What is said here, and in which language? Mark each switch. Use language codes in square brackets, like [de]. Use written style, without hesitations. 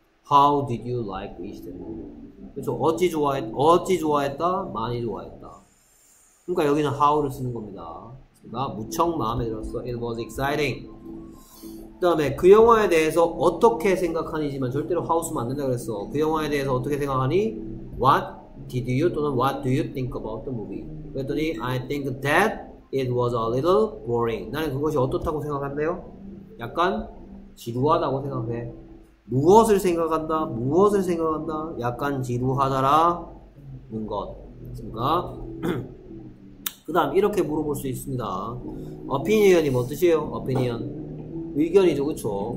[en] How did you like it? [ko] 그렇죠. 어찌 좋아했다? 많이 좋아했다. 그러니까 여기는 how를 쓰는 겁니다. 그러니까 무척 마음에 들었어. [en] It was exciting. [ko] 그 다음에 그 영화에 대해서 어떻게 생각하니지만 절대로 how 쓰면 안 된다 그랬어. 그 영화에 대해서 어떻게 생각하니? [en] What did you [ko] 또는 [en] what do you think about the movie? [ko] 그랬더니 [en] I think that it was a little boring. [ko] 나는 그것이 어떻다고 생각한대요? 약간 지루하다고 생각해. 무엇을 생각한다? 무엇을 생각한다? 약간 지루하다라는 것. 그니까 그 다음 이렇게 물어볼 수 있습니다. Opinion이 뭐 뜻이에요? Opinion 의견이죠. 그쵸?